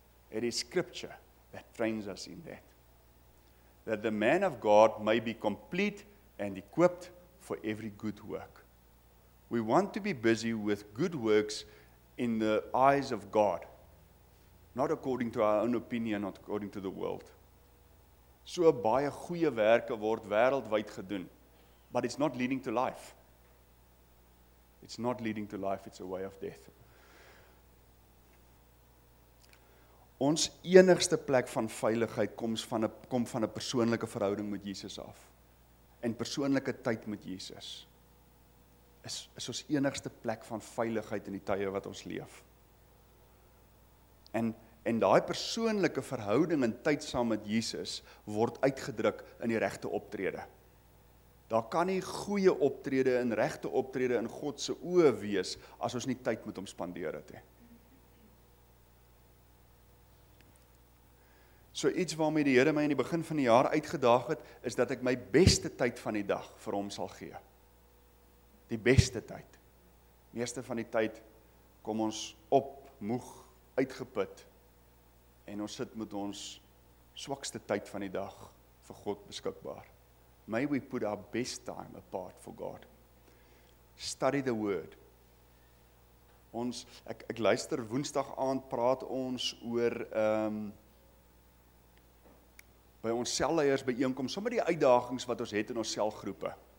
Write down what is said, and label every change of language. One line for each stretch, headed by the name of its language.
English: It is scripture that trains us in that. That the man of God may be complete and equipped for every good work. We want to be busy with good works in the eyes of God. Not according to our own opinion, not according to the world.
Afrikaans: So baie goeie werke word wêreldwyd gedoen.
English: But it's not leading to life. It's not leading to life, it's a way of death.
Afrikaans: Ons enigste plek van veiligheid kom van 'n persoonlike verhouding met Jesus af. En persoonlike tyd met Jesus. Is ons enigste plek van veiligheid in die tye wat ons leef. En daai persoonlike verhouding en tyd saam met Jesus word uitgedruk in die regte optrede. Daar kan nie goeie optrede en regte optrede in God se oë wees as ons nie tyd met hom spandeer het nie. So iets waarmee die Here my in die begin van die jaar uitgedaag het, is dat ek my beste tyd van die dag vir hom sal gee. Die beste tyd. Meeste van die tyd kom ons op, moeg, uitgeput, en ons sit met ons swakste tyd van die dag vir God beskikbaar.
English: May we put our best time apart for God. Study the word.
Afrikaans: Ek luister woensdag aand praat ons oor by ons selleiers byeenkom, sommer die uitdagings wat ons het in ons selgroepe.